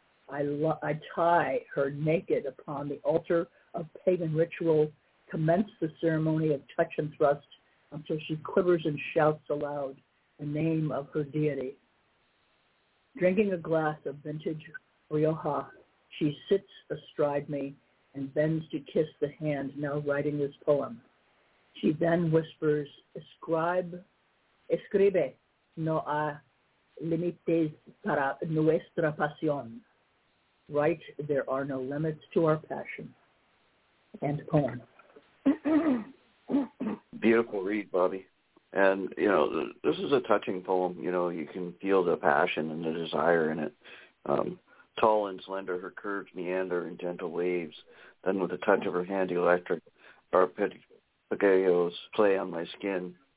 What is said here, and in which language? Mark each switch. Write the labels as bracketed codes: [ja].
[en] I tie her naked upon the altar of pagan ritual, commence the ceremony of touch and thrust until she quivers and shouts aloud the name of her deity. Drinking a glass of vintage Rioja, she sits astride me and bends to kiss the hand now writing this poem. She then whispers, [es] escribe, no hay límites para nuestra pasión. [en] Write, there are no limits to our passion. End poem. Beautiful read, Bobby. And, you know, this is a touching poem. You know, you can feel the passion and the desire in it. Tall and slender, her curves meander in gentle waves. Then with the touch of her hand, electric arpeggios play on my skin.